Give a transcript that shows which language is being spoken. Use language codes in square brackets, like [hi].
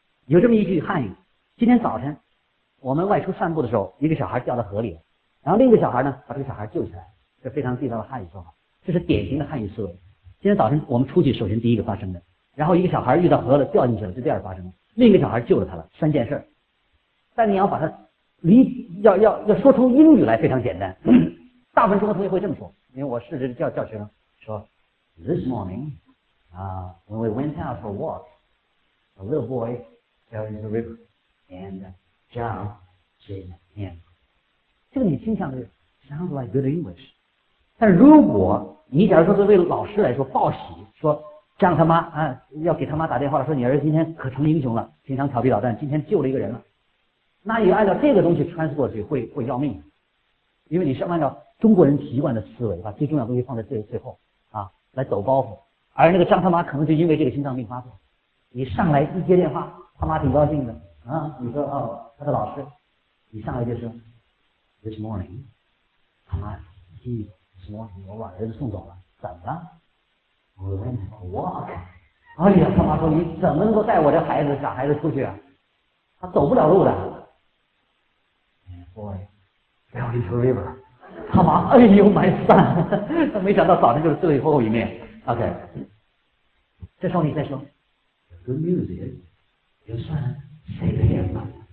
[zh] 有这么一句汉语，今天早晨我们外出散步的时候，一个小孩掉到河里，然后另一个小孩呢把这个小孩救起来，这非常地道的汉语说法，这是典型的汉语思维。今天早晨我们出去，首先第一个发生的，然后一个小孩遇到河了掉进去了，这第二发生的，另一个小孩救了他了，三件事。但你要把它离要说出英语来非常简单，大部分中国同学会这么说，因为我试着教学生说 [en] This morning when we went out for a walk, a little boy fell into the river and jumped in him. [zh] 这个你听起来 [en] sounds like good English. [zh] 但如果你假如说作为老师来说报喜，说让他妈啊，要给他妈打电话了，说你儿子今天可成英雄了，平常调皮捣蛋，今天救了一个人了，那你按照这个东西穿过去会要命，因为你是按照中国人习惯的思维，把最重要的东西放在最后啊，来抖包袱。而那个张他妈可能就因为这个心脏病发作，你上来一接电话，他妈挺高兴的啊，你说哦，他的老师，你上来就说 ， [en] This morning， [zh] 他妈，你什么？我把儿子送走了，怎么了 ？ [en] We went for a walk。 [zh] 哎呀，他妈说你怎么能够带我这孩子小孩子出去啊？他走不了路的。 [en] Boy fell into the river。 [zh] 他妈，哎呦 ，my son， 他没想到早上就是最后一面。 OK， 这时候你再说， [en] The good news is， [zh] 就算谁的电话，